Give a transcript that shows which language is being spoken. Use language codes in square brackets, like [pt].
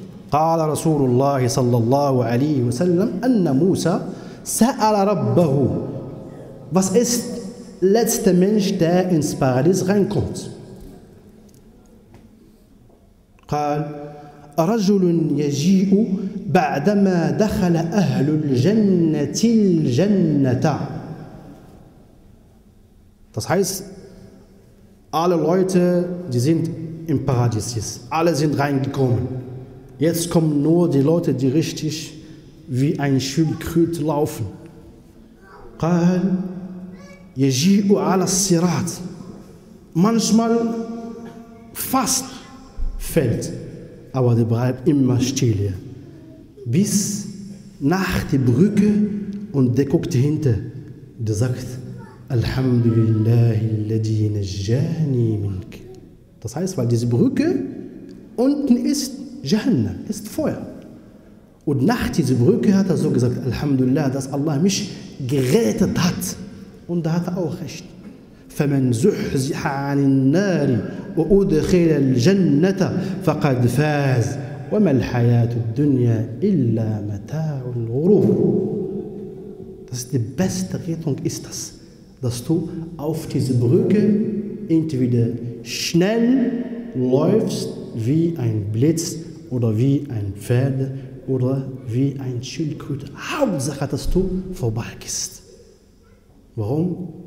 [ar] قال رسول الله صلى الله عليه وسلم أن موسى سأل ربه [de] Was ist der letzte Mensch, der ins Paradies reinkommt? [ar] قال رجل يجيء بعدما دخل أهل الجنة الجنة. [de] Das heißt, alle Leute, die sind im Paradies, alle sind reingekommen. Jetzt kommen nur die Leute, die richtig wie ein Schildkröte laufen. [ar] قال يجيء على الصراط. [de] Manchmal fast fällt, aber der bleibt immer still. Ja. Bis nach der Brücke und der guckt hinter. Der sagt, Alhamdulillah, [ar] الذي نجاني منك. [de] Das heißt, weil diese Brücke unten ist, Jahannam, ist Feuer. Und nach dieser Brücke hat er so gesagt, Alhamdulillah, dass Allah mich gerettet hat. Und da hat er auch recht. [ar] فَمَنْ زُحْزِحَ عَنِ النَّارِ وَأُدْخِلَ الْجَنَّةَ فَقَدْ فَازْ وَمَا الْحَيَاةُ الدُّنْيَا إِلَّا مَتَاعُ الْغُرُورِ [de] Das ist die beste Rettung, ist das. Dass du auf diese Brücke entweder schnell läufst wie ein Blitz oder wie ein Pferd oder wie ein Schildkröte. Hauptsache, dass du vorbeigehst. Warum?